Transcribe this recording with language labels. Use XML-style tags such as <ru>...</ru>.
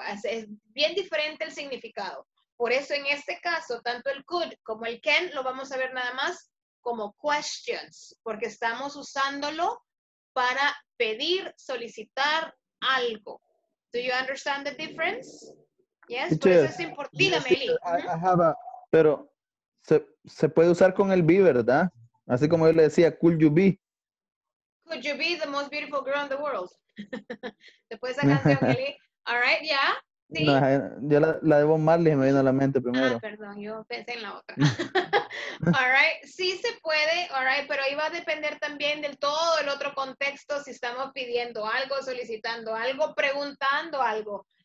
<es>Es bien diferente el significado. Por eso en este caso, tanto el could como el can lo vamos a ver nada más como questions, porque estamos usándolo para pedir, solicitar algo.</es> <en>Do you understand the difference? Yes, teacher,</en> <es>por eso es importante,</es> <en>yes, Meli. I have a,</en> <es>pero se puede usar con el be, ¿verdad? Así como yo le decía,</es> <en>could you be? Could you be the most beautiful girl in the world?</en> <es>Después de esa canción, Meli. All right, yeah. Sí. No, yo la debo Marley, me vino a la mente primero. Ah, perdón, yo pensé en la otra. All right, sí se puede, all right, pero ahí va a depender también del todo el otro contexto, si estamos pidiendo algo, solicitando algo, preguntando algo.</es>